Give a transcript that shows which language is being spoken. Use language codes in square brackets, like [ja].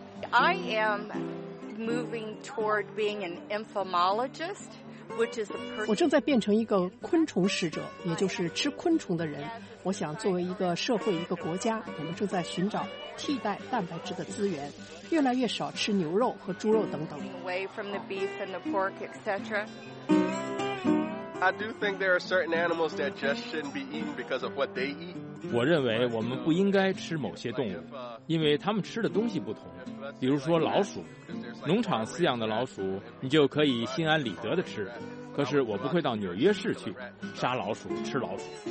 [en] I am moving toward being an entomologist. [zh] 我正在变成一个昆虫使者，也就是吃昆虫的人。我想作为一个社会，一个国家，我们正在寻找替代蛋白质的资源，越来越少吃牛肉和猪肉等等。 [en] Away from the beef and the pork, etc. I do think there are certain animals that just shouldn't be eaten because of what they eat. [zh] 我认为我们不应该吃某些动物，因为他们吃的东西不同。比如说老鼠，农场饲养的老鼠你就可以心安理得的吃，可是我不会到纽约市去杀老鼠吃老鼠。